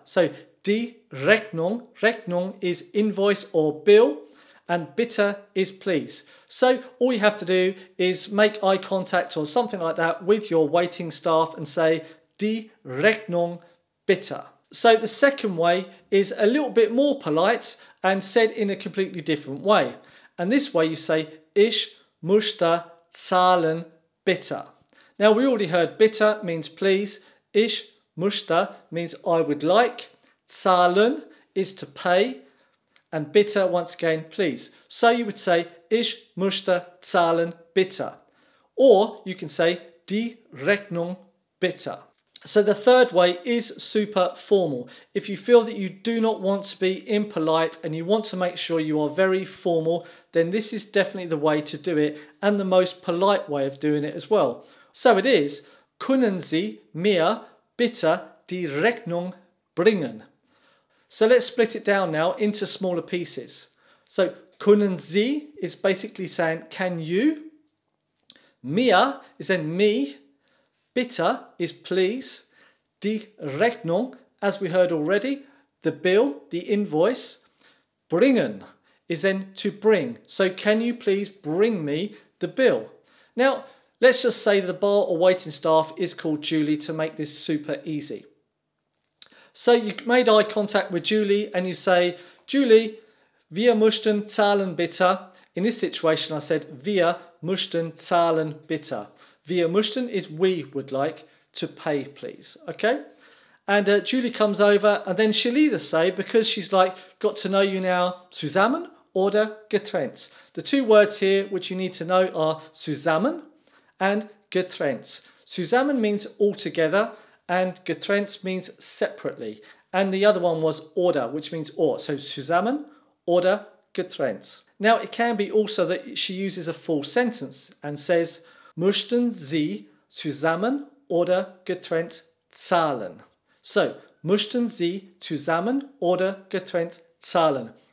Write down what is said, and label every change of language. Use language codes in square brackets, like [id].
[en] So, [de] die Rechnung. [en] Rechnung is invoice or bill, and bitte is please. So, all you have to do is make eye contact or something like that with your waiting staff and say, [de] die Rechnung, bitte. [en] So, the second way is a little bit more polite and said in a completely different way. And this way you say, [de] ich möchte zahlen, bitte. [en] Now, we already heard bitte means please. [de] Ich Muster [en] means I would like, zahlen is to pay, and bitte, once again, please. So you would say, [de] ich möchte zahlen bitte. [en] Or you can say, [de] die Rechnung bitte. [en] So the third way is super formal. If you feel that you do not want to be impolite and you want to make sure you are very formal, then this is definitely the way to do it and the most polite way of doing it as well. So it is, [de] können Sie mir bitte die Rechnung bringen. [en] So let's split it down now into smaller pieces. So [de] können Sie [en] is basically saying, can you? Mir is then me. Bitte is please. [de] Die Rechnung, [en] as we heard already, the bill, the invoice. Bringen is then to bring. So can you please bring me the bill? Now, let's just say the bar or waiting staff is called Julie to make this super easy. So you made eye contact with Julie and you say, Julie, [de] wir möchten zahlen bitte. [en] In this situation, I said, [de] wir möchten zahlen bitte. Wir möchten [en] is we would like to pay, please. Okay? And Julie comes over and then she'll either say, because she's like, got to know you now, [de] zusammen oder getrennt. [en] The two words here which you need to know are zusammen and getrennt. Zusammen means altogether, and getrennt means separately. And the other one was order, which means or. So [de] zusammen, order, getrennt. [en] Now it can be also that she uses a full sentence and says, [de] möchten Sie zusammen oder getrennt zahlen? So, möchten Sie zusammen oder getrennt zahlen?